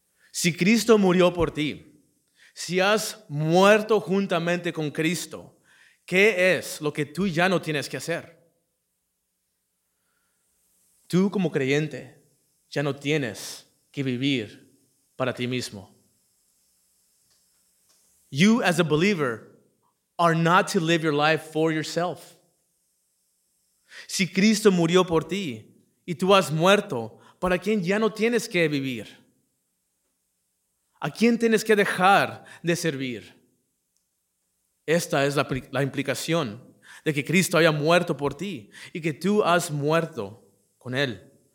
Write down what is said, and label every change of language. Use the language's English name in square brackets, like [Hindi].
[Spanish] Si Cristo murió por ti, si has muerto juntamente con Cristo, ¿qué es lo que tú ya no tienes que hacer? Tú como creyente ya no tienes que vivir para ti mismo. [English] You as a believer are not to live your life for yourself. [Spanish] Si Cristo murió por ti y tú has muerto, ¿para quién ya no tienes que vivir? ¿A quién tienes que dejar de servir? Esta es la implicación de que Cristo haya muerto por ti y que tú has muerto con Él.